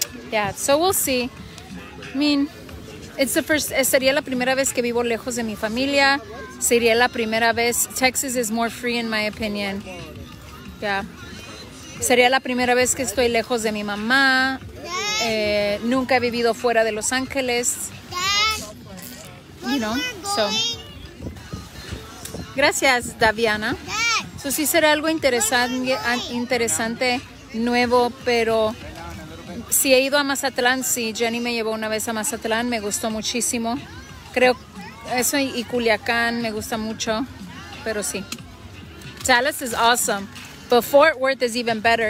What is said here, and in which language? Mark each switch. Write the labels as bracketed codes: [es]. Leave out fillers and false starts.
[en] Yeah, so we'll see. I mean, it's the first. [es] Sería la primera vez que vivo lejos de mi familia. Sería la primera vez. [en] Texas is more free, in my opinion. Yeah. [es] Sería la primera vez que estoy lejos de mi mamá. Nunca he vivido fuera de Los Ángeles. [en] You know, so. [es] Gracias, Daviana. So sí será algo interesante. Nuevo, pero si he ido a Mazatlán, sí, Jenny me llevó una vez a Mazatlán, me gustó muchísimo. Creo eso y Culiacán me gusta mucho, pero sí. [en] Dallas is awesome, but Fort Worth is even better.